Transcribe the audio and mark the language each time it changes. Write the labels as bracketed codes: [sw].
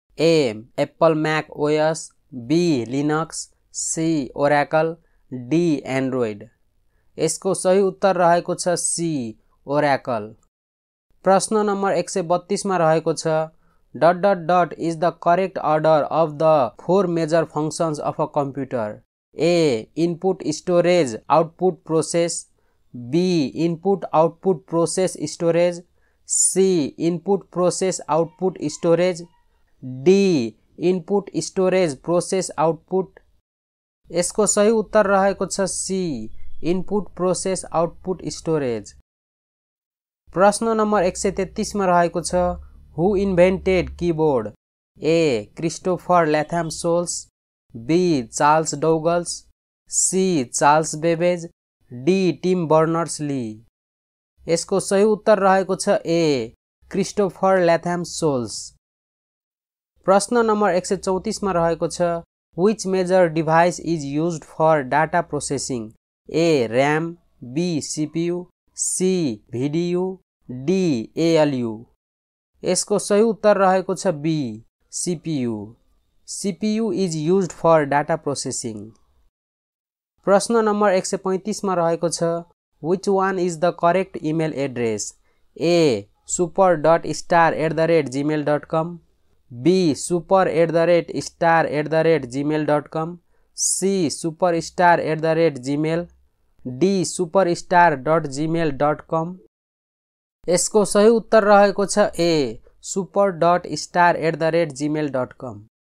[en] A Apple Mac OS, B Linux, C Oracle, D Android. [ne] इसको सही उत्तर रहेको छ सी ओरैकल। प्रश्न नंबर 132 मा रहेको छ, [en] Dot dot dot is the correct order of the four major functions of a computer. A input storage output process, B input output process storage, C input process output storage, D input storage process output. [ne] इसको सही उत्तर रहेको छ C input process output storage. प्रश्न number 133 मा रहेको छ, [en] Who invented keyboard. A Christopher Latham Sholes, B Charles Douglas, C Charles Babbage, D Tim Berners Lee. [ne] इसको सही उत्तर रहेको छ ए क्रिस्टोफर ल्याथम सोल्स। प्रश्न नंबर 134 मा रहेको छ, [en] Which major device is used for data processing. A RAM, B CPU, C VDU, D ALU. [ne] इसको सही उत्तर रहेको छ be CPU. [en] CPU is used for data processing. [ne] प्रश्न नंबर 135 मा रहेको छ, [en] Which one is the correct email address. A super dot star at the rate Gmail dot com, B super at the rate star at the rate Gmail dot com, C super star at the rate Gmail, D super star dot Gmail dot com. [ne] इसको सही उत्तर रहेको छ ए super dot star at the rate Gmail dot com.